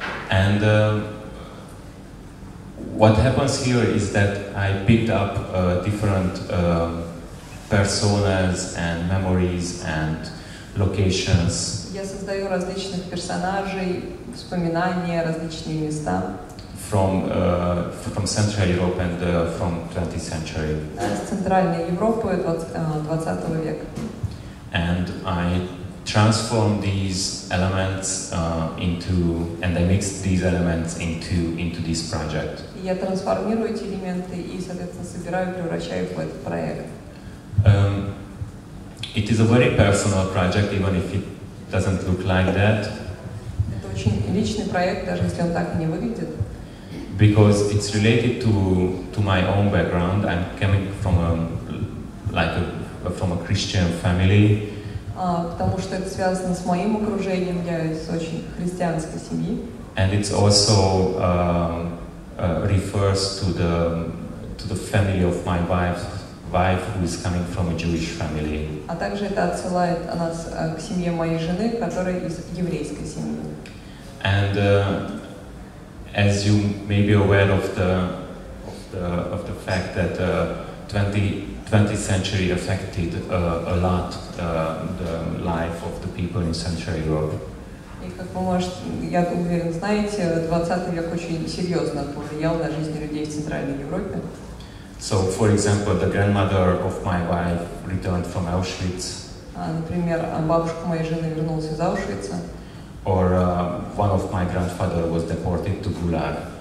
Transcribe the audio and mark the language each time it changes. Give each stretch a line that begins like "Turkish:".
English: And what happens here is that I picked up different personas and memories and locations.
Russian: Я создаю различных персонажей, воспоминания, различные места.
English: From Central Europe and from 20th century.
Russian: С центральной Европы 20 века.
English: And I transformed these elements into this project.
Russian: Я трансформирую эти элементы и, соответственно, собираю, превращаю в этот проект.
English: It is a very personal project, even if it doesn't look like that.
Russian: Это очень личный проект, даже если он так и не выглядит.
English: Because it's related to my own background. I'm coming from a Christian family.
Russian: Потому что это связано с моим окружением, я из очень христианской семьи.
English: And it's also refers to the family of my wife who is coming from a Jewish family.
Russian: А также это отсылает нас к семье моей жены, которая из еврейской семьи.
English: And as you may be aware of the fact that 20th century affected a lot the life of the people in Central Europe.
Russian: И как вы можете, я уверен, знаете, 20-й век очень серьезно повлиял на жизнь людей в Центральной Европе.
English: So, for example, the grandmother of my wife returned from Auschwitz.
Russian: Например, бабушка моей жены вернулась из Аушвица.
English: Or one of my grandfather was deported to Gulag.